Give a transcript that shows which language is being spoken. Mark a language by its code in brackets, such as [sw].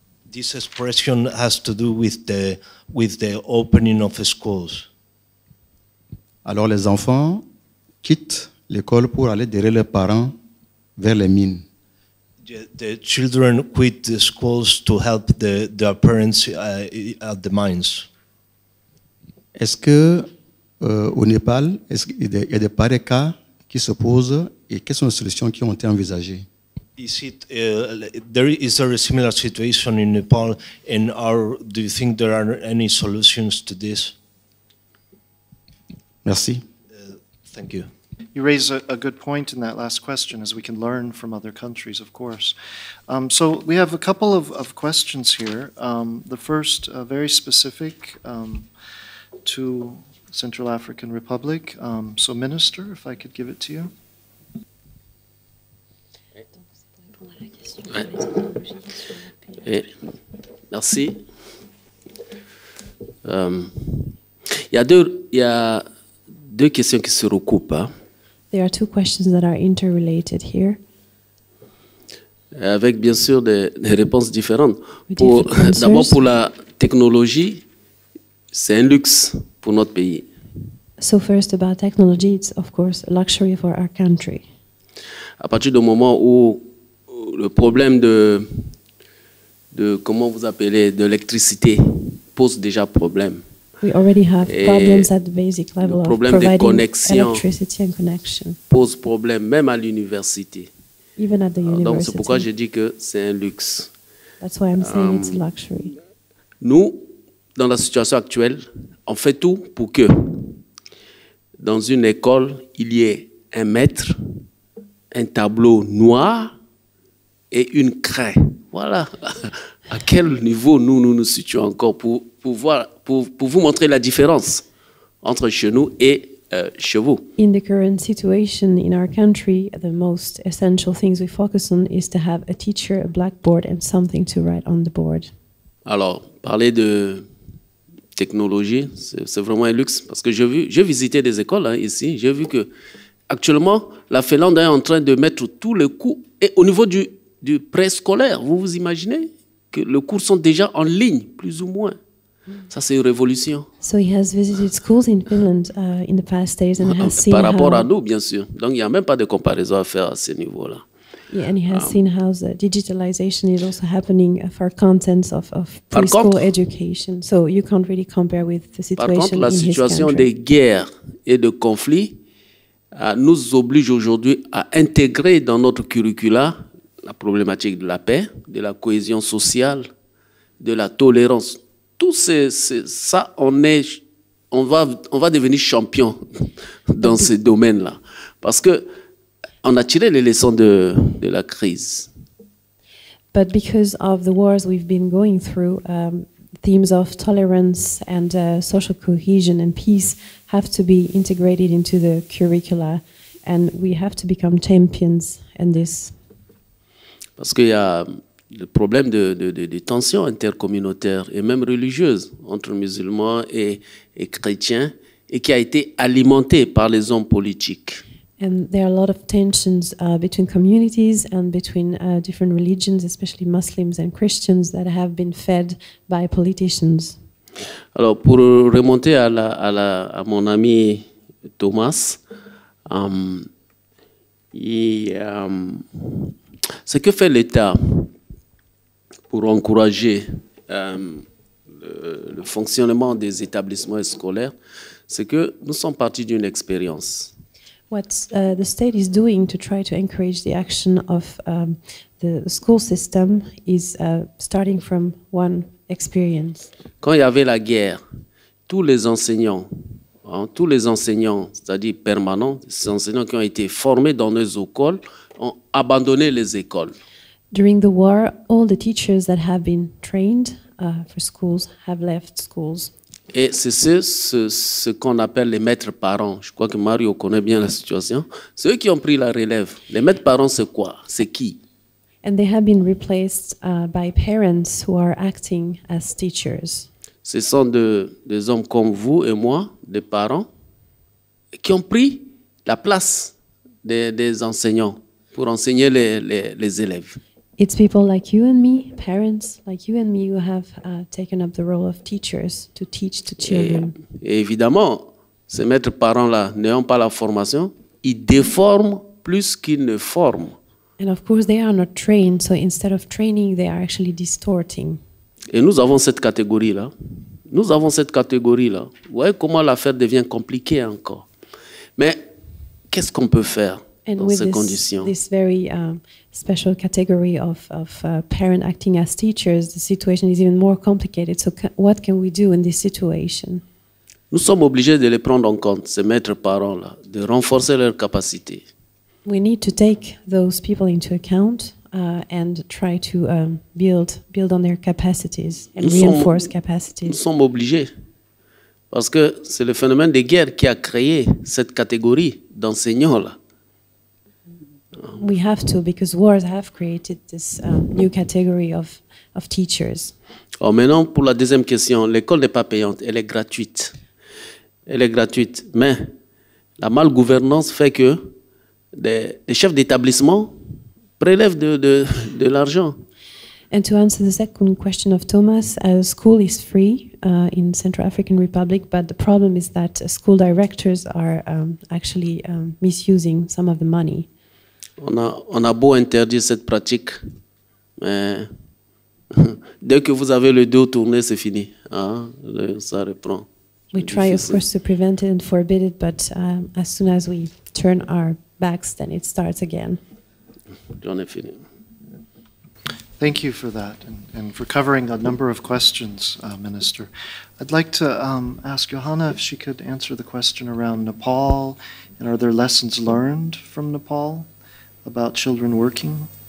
[en] This expression has to do with the opening of the schools. [fr] Alors les enfants quittent l'école pour aller derrière leurs parents vers les mines. [en] The children quit the schools to help their parents at the mines. [fr] Est-ce que au Népal, est-ce qu'il y a des pareils cas qui se posent et quelles sont les solutions qui ont été envisagées? [en] Is there a similar situation in Nepal, and do you think there are any solutions to this? [fr] Merci. [en] Thank you. You raise a good point in that last question, as we can learn from other countries, of course. So we have a couple of questions here. The first, very specific to Central African Republic. So Minister, if I could give it to you. [fr] Merci. Il y a deux questions qui se recoupent. Hein. [en] There are two questions that are interrelated here. [fr] Avec bien sûr des réponses différentes. D'abord pour la technologie, c'est un luxe pour notre pays. [en] So first about technology, it's of course a luxury for our country. [fr] À partir du moment où le problème de comment vous appelez de l'électricité pose déjà problème. [en] We already have problems at the basic level [fr] le problème [en] of providing [fr] des connexions [en] and connection. [fr] Pose problème même à l'université. [en] Even at the university. [fr] Donc c'est pourquoi je dis que c'est un luxe. [en] That's why I'm saying it's a luxury. [fr] Nous, dans la situation actuelle, on fait tout pour que dans une école, il y ait un maître, un tableau noir et une craie. Voilà. À quel niveau nous situons encore pour vous montrer la différence entre chez nous et chez vous. [en] In the current situation in our country, the most essential things we focus on is to have a teacher, a blackboard, and something to write on the board. [fr] Alors, parler de technologie, c'est vraiment un luxe parce que j'ai visité des écoles hein, ici. J'ai vu que actuellement, la Finlande est en train de mettre tous les cours et au niveau du préscolaire, vous vous imaginez que les cours sont déjà en ligne, plus ou moins. Ça, c'est une révolution. [en] So he has visited schools in Finland in the past days and has seen [fr] par rapport à nous, bien sûr. Donc, il n'y a même pas de comparaison à faire à ce niveau-là. [en] Yeah, and he has seen how the digitalization is also happening for contents of preschool [fr] contre, [en] education. So you can't really compare with the situation [fr] contre, [en] in [fr] la situation des guerres et de conflits nous oblige aujourd'hui à intégrer dans notre curricula la problématique de la paix, de la cohésion sociale, de la tolérance. Tout ça, on va devenir champion dans ce domaine-là. Parce qu'on a tiré les leçons de la crise. [en] But because of the wars we've been going through, themes of tolerance and social cohesion and peace have to be integrated into the curricula. And we have to become champions in this. [fr] Parce qu'il y a le problème de tensions intercommunautaires et même religieuses entre musulmans et chrétiens et qui a été alimenté par les hommes politiques. [en] And there are a lot of tensions between communities and between different religions, especially Muslims and Christians, that have been fed by politicians. [fr] Alors pour remonter à mon ami Thomas, ce que fait l'État pour encourager le fonctionnement des établissements scolaires, c'est que nous sommes partis d'une expérience. [en] What the state is doing to try to encourage the action of the school system is starting from one experience. [fr] Quand il y avait la guerre, tous les enseignants, hein, c'est-à-dire permanents, ces enseignants qui ont été formés dans nos écoles, ont abandonné les écoles. [en] During the war, all the teachers that have been trained for schools have left schools. [fr] Et c'est ce qu'on appelle les maîtres parents. Je crois que Mario connaît bien la situation. Ceux qui ont pris la relève, les maîtres parents, c'est quoi? C'est qui? [en] And they have been replaced by parents who are acting as teachers. [fr] Ce sont des hommes comme vous et moi, des parents, qui ont pris la place des enseignants pour enseigner les élèves. [en] It's people like you and me, parents like you and me, who have taken up the role of teachers to teach the children. [fr] Et évidemment, ces maîtres parents-là, n'ayant pas la formation, ils déforment plus qu'ils ne forment. [en] And of course, they are not trained, so instead of training, they are actually distorting. [fr] Et nous avons cette catégorie-là. Nous avons cette catégorie-là. Vous voyez comment l'affaire devient compliquée encore. Mais qu'est-ce qu'on peut faire [en] and [fr] dans ces conditions? [en] This very special category of parent acting as teachers, the situation is even more complicated. So what can we do in this situation? [fr] Nous sommes obligés de les prendre en compte, ces maîtres parents-là, de renforcer leurs capacités. [en] We need to take those people into account and try to build on their capacities and reinforce capacities. [fr] Nous sommes obligés parce que c'est le phénomène de guerre qui a créé cette catégorie d'enseignants-là. [en] We have to because wars have created this new category of teachers. [fr] Oh, maintenant pour la deuxième question, l'école n'est pas payante, elle est gratuite. Elle est gratuite, mais la malgouvernance fait que des chefs d'établissement prélèvent de l'argent. [en] And to answer the second question of Thomas, school is free in Central African Republic, but the problem is that school directors are actually misusing some of the money. [fr] On a beau interdire cette pratique, mais dès que vous avez le dos tourné, c'est fini. Ça reprend. [en] We try, of course, to prevent it and forbid it, but as soon as we turn our backs, then it starts again. Thank you for that and for covering a number of questions, Minister. I'd like to ask Johanna if she could answer the question around Nepal and are there lessons learned from Nepal about children working?